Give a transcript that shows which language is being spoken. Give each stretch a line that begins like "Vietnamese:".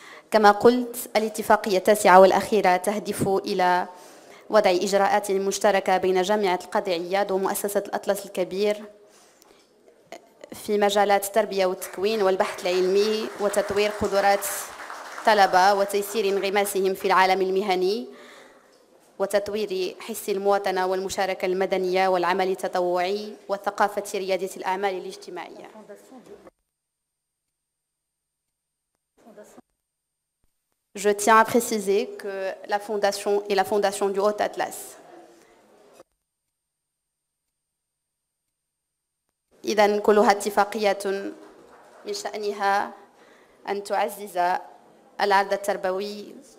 Arabic: كما قلت الاتفاقية التاسعة والأخيرة تهدف إلى وضع إجراءات مشتركة بين جامعة القاضي عياد ومؤسسة الأطلس الكبير في مجالات التربية والتكوين والبحث العلمي وتطوير قدرات طلبة وتيسير انغماسهم في العالم المهني وتطوير حس المواطنة والمشاركة المدنية والعمل التطوعي وثقافة ريادة الأعمال الاجتماعية.
French: Je tiens à préciser que la Fondation est la Fondation du Haut Atlas.
Arabic: إذن كلها اتفاقية من شأنها أن تعزز العدد التربوي.